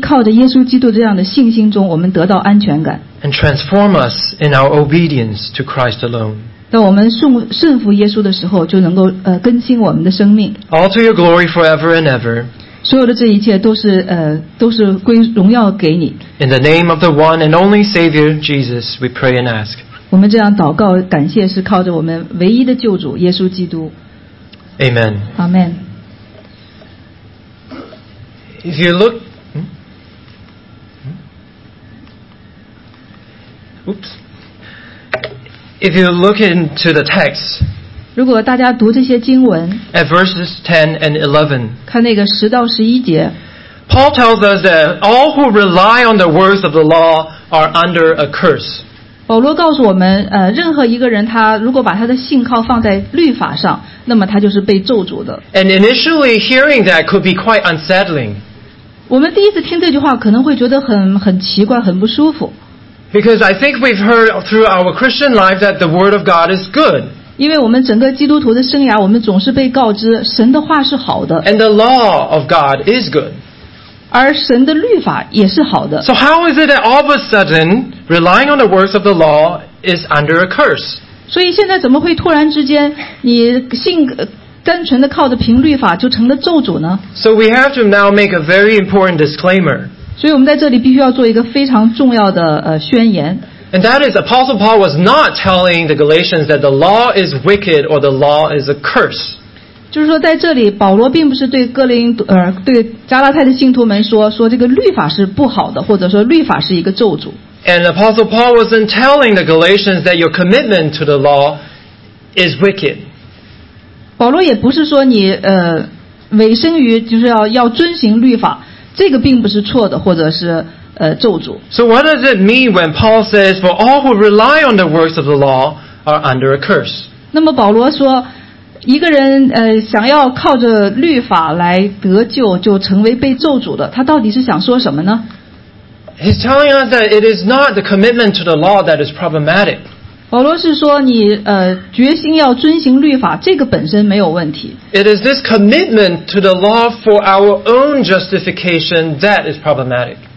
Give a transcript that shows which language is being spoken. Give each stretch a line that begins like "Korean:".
Chinese: 也让我们在唯一靠着耶稣基督这样的信心中我们得到安全感,
English: and transform us in our obedience to Christ alone.
Chinese: 到我们顺服耶稣的时候就能够, 更新我们的生命,
English: all to your glory forever and ever.
Chinese: 所有的这一切都是, 都是归荣耀给你。
English: In the name of the one and only Savior Jesus, we pray and ask.
Chinese: 我们这样祷告, 感谢是靠着我们唯一的救主耶稣基督。
English: Amen. Amen. If you look, if you look into the text,
Chinese: 如果大家读这些经文,
English: at verses 10 and 11,
Chinese: 看那个10到11节,
English: Paul tells us that all who rely on the words of the law are under a curse.
Chinese: 保罗告诉我们, 任何一个人他, 如果把他的信靠放在律法上, 那么他就是被咒诅的。
English: And initially hearing that could be quite unsettling.
Chinese: 我们第一次听这句话, 可能会觉得很, 很奇怪, 很不舒服。
English: Because I think we've heard through our Christian life that the Word of God is good.
Chinese: 因为我们整个基督徒的生涯, 我们总是被告知, 神的话是好的。
English: And the law of God is good.
Chinese: 而神的律法也是好的。
English: So how is it that all of a sudden, relying on the works of the law is under a curse?
Chinese: 所以现在怎么会突然之间, 你信, 单纯的靠着凭律法就成了咒诅呢?
English: So we have to now make a very important disclaimer.
Chinese: 所以我们在这里必须要做一个非常重要的, 宣言。
English: And that is, Apostle Paul was not telling the Galatians that the law is wicked or the law is a curse.
Chinese: 就是说在这里保罗并不是对哥林对加拉太的信徒们说说这个律法是不好的或者说律法是一个咒诅。
English: And Apostle Paul wasn't telling the Galatians that your commitment to the law is wicked.
Chinese: 保罗也不是说你委身于就是要遵行律法这个并不是错的或者是咒诅。
English: So what does it mean when Paul says, for all who rely on the works of the law are under a curse?
Chinese: 那么保罗说一个人想要靠着律法来得救就成为被咒诅的他到底是想说什么呢
English: He's telling us that it is not the commitment to the law that is problematic.
Chinese: 保罗是说你决心要遵行律法这个本身没有问题。
English: It is this commitment to the law for our own justification that is problematic.